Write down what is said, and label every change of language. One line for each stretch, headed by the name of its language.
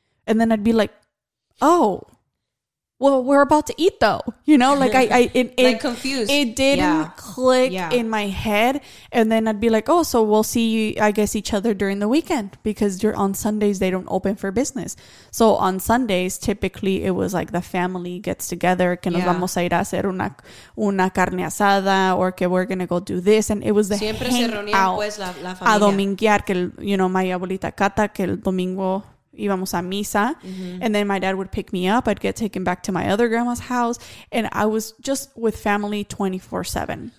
English: And then I'd be like, oh, well, we're about to eat, though. You know, like, confused. It didn't click in my head. And then I'd be like, oh, so we'll see, I guess, each other during the weekend. Because on Sundays, they don't open for business. So on Sundays, typically, it was like the family gets together.
Spanish: Que nos vamos a ir a hacer una carne asada.
English: Or que we're going to go do this. And it was the
Spanish: siempre
English: hangout.
Spanish: Se reunían, pues, la familia. A dominguear. Que,
English: you know, my
Spanish: abuelita Cata, que el domingo... íbamos a misa,
English: and then my dad would pick me up. I'd get taken back to my other grandma's house, and I was just with family 24/7.